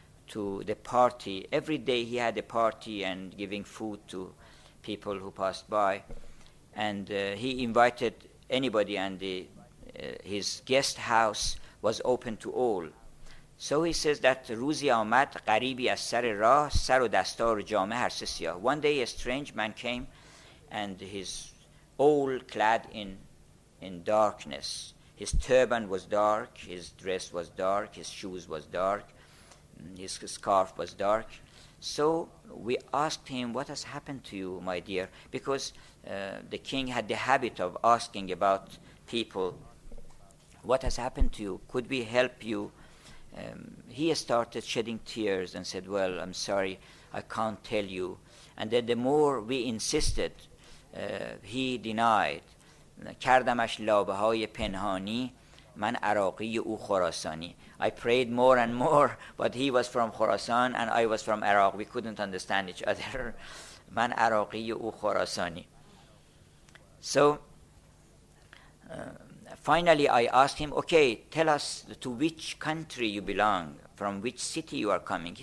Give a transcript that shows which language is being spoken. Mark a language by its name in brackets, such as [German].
[English] to the party. Every day he had a party and giving food to people who passed by. And he invited anybody, and his guest house was open to all. So he says that [Persian] روزی آمد غریبی از سر راه سر و دستار جامعه هر سه سیاه. [English] One day a strange man came, and he's all clad in darkness. His turban was dark, his dress was dark, his shoes was dark, his scarf was dark. So we asked him, "What has happened to you, my dear?" Because the king had the habit of asking about people, "What has happened to you? Could we help you?" He started shedding tears and said, "Well, I'm sorry, I can't tell you." And then the more we insisted, he denied. [Persian] کردمش لابه‌های پنهانی من عراقی او خراسانی. [English] I prayed more and more, but he was from Khorasan and I was from Iraq. We couldn't understand each other. [Persian] من عراقی او خراسانی. [English] So finally I asked him, "Okay, tell us to which country you belong, from which city you are coming."